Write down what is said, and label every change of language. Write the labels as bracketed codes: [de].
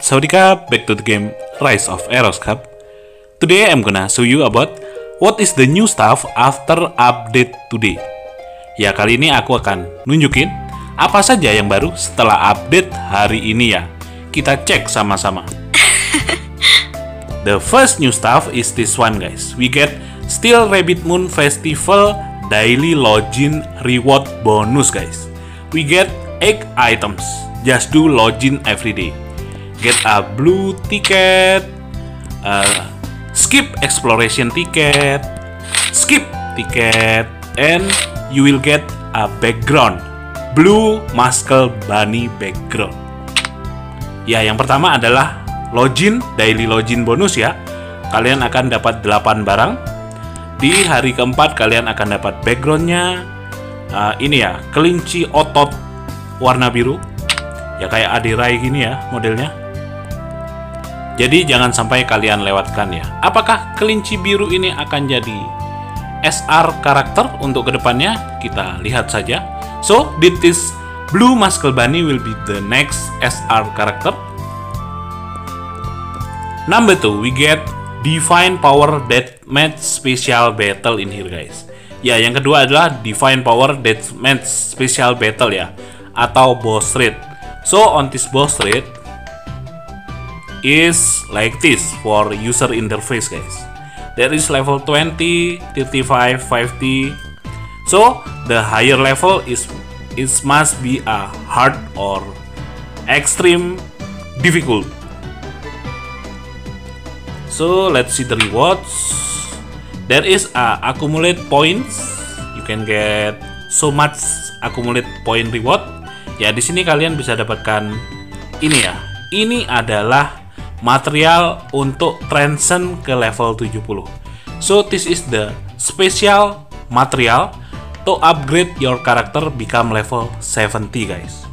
[en] Sawadikap, back to the game Rise of Eros Cup. Today I'm gonna show you about what is the new stuff after update today. [id] Ya, kali ini aku akan nunjukin apa saja yang baru setelah update hari ini ya. Kita cek sama-sama. [en] The first new stuff is this one guys. We get Steel Rabbit Moon Festival Daily Login Reward Bonus guys. We get 8 items. Just do login every day. Get a blue ticket. Skip exploration ticket. Skip ticket. And you will get a background. Blue Muscle Bunny background. [id] Ya, yang pertama adalah login, daily login bonus ya. Kalian akan dapat 8 barang. Di hari keempat kalian akan dapat backgroundnya. Ini ya, kelinci otot warna biru. Ya kayak Adirai gini ya modelnya. Jadi jangan sampai kalian lewatkan ya. Apakah kelinci biru ini akan jadi SR karakter untuk kedepannya? Kita lihat saja. [en] So, this blue muscle bunny will be the next SR character. Number 2, we get Divine Power Deathmatch Special Battle in here guys. [id] Ya, yang kedua adalah Divine Power Deathmatch Special Battle ya, atau boss raid. [en] So, on this boss raid is like this for user interface guys. There is level 20, 35, 50. So, the higher level is it must be a hard or extreme difficult. So, let's see the rewards. There is a accumulate points. You can get so much accumulate point reward. [id] Ya, di sini kalian bisa dapatkan ini ya. Ini adalah material untuk transcend ke level 70. [en] So, this is the special material to upgrade your character become level 70, guys.